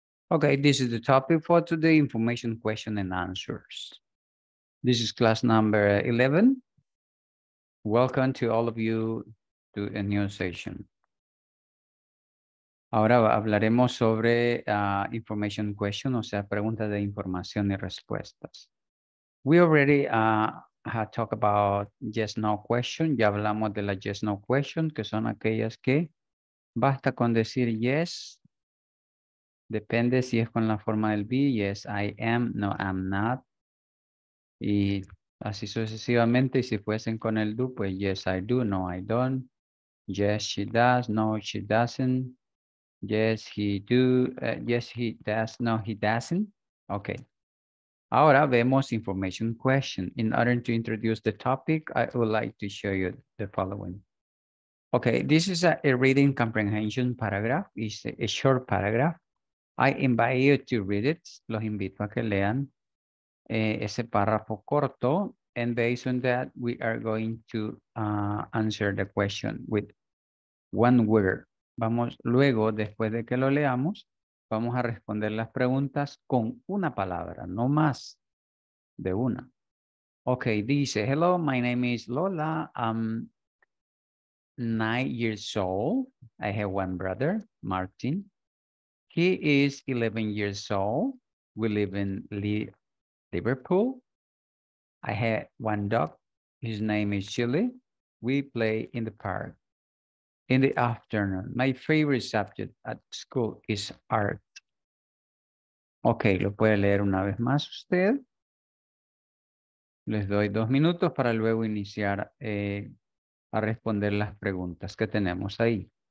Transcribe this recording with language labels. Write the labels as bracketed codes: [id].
[en] Okay, this is the topic for today, information, question, and answers. This is class number 11. Welcome to all of you to a new session. [es] Ahora hablaremos sobre [en] information question, [es] o sea, preguntas de información y respuestas. [en] We already had talked about yes, no question. [es] Ya hablamos de la [en] yes, no question, [es] que son aquellas que basta con decir yes. Depende si es con la forma del be, [en] yes, I am, no, I'm not. [es] Y así sucesivamente, y si fuesen con el do, pues [en] yes, I do, no, I don't. Yes, she does, no, she doesn't. Yes, he do. Yes, he does. No, he doesn't. Okay. [es] Ahora vemos [en] information question. In order to introduce the topic, I would like to show you the following. Okay, this is a reading comprehension paragraph. It's a short paragraph. I invite you to read it. [es] Los invito a que lean ese párrafo corto. [en] And based on that, we are going to answer the question with one word. [es] Vamos, luego, después de que lo leamos, vamos a responder las preguntas con una palabra, no más de una. [en] Okay, dice, hello, my name is Lola. I'm 9 years old. I have one brother, Martin. He is 11 years old. We live in Liverpool. I have one dog. His name is Chili. We play in the park. In the afternoon, my favorite subject at school is art. [es] Okay, lo puede leer una vez más usted. Les doy 2 minutos para luego iniciar a responder las preguntas que tenemos ahí.